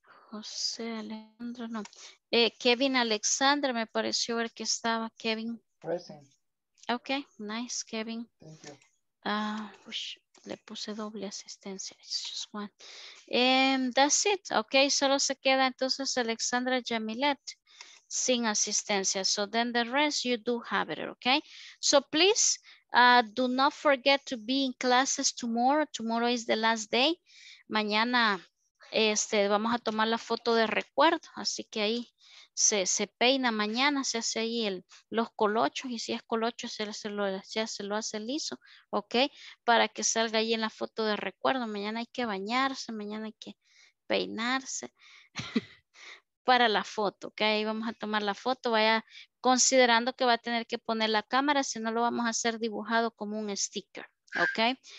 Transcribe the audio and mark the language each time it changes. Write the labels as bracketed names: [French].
[Spanish] José Alejandro, no. Kevin Alexandra, me pareció ver que estaba Kevin. [English] Present. Okay, nice, Kevin. Thank you. [Spanish] Le puse doble asistencia. [English] It's just one. That's it. [Spanish] Okay, solo se queda entonces Alexandra Yamilet sin asistencia. [English] So then the rest you do have it, okay? So please do not forget to be in classes tomorrow. Tomorrow is the last day. [Spanish] Mañana vamos a tomar la foto de recuerdo, así que ahí. Se peina mañana, se hace ahí los colochos y si es colocho se lo hace liso, ok, para que salga ahí en la foto de recuerdo. Mañana hay que bañarse, mañana hay que peinarse para la foto, ok, ahí vamos a tomar la foto, vaya considerando que va a tener que poner la cámara, si no lo vamos a hacer dibujado como un sticker, ok.